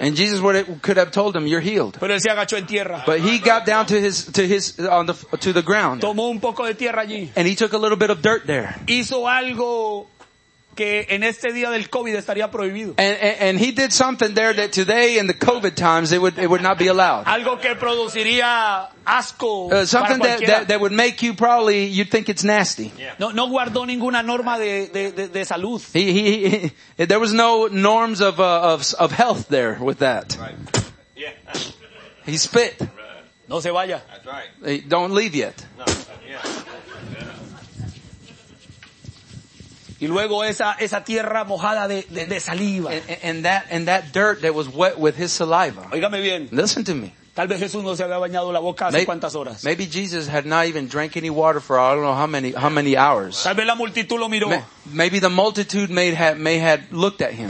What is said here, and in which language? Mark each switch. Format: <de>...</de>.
<en>And Jesus could have told him, you're healed.</en> <es>Pero él se agachó en tierra.</es> <en>But he got down to the ground.</en> <es>Tomó un poco de tierra allí.</es> <en>And he took a little bit of dirt there.</en> <es>Hizo algo que en este día del COVID estaría prohibido.</es> <en>And he did something there that today in the COVID times it would not be allowed.</en> <es>Algo que produciría asco.</es> <en>Something that would make you probably you'd think it's nasty.</en> <es>Yeah. No guardó ninguna norma de salud.</es> <en>He there was no norms of health there with that. Right. Yeah. He spit.</en> <es>No se vaya.</es> <en>That's right. Don't leave yet. No. Yeah.</en> <es>Y luego esa tierra mojada de saliva.</es> <en>And that dirt that was wet with his saliva.</en> <es>Óigame bien.</es> <en>Listen to me.</en> <es>Tal vez Jesús no se había bañado la boca hace cuántas horas.</es> <en>Maybe Jesus had not even drank any water for I don't know how many hours.</en> <es>Tal vez la multitud lo miró.</es> <en>Maybe the multitude may have looked at him.</en>